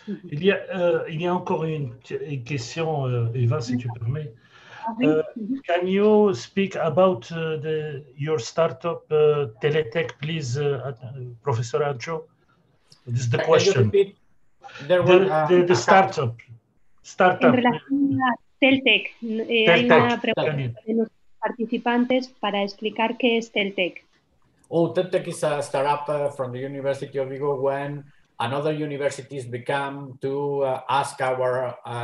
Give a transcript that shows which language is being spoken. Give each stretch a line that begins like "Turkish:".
French: Il y a encore une question, Eva, si tu permets.
English: Can you speak about your startup Teletech, please, Professor Adjo? This is the question. The startup.
Spanish: En relación a Teletech, hay una pregunta de los participantes para explicar qué es Teletech.
English: Oh, Teletech is a startup from the University of Vigo when another universities become to ask our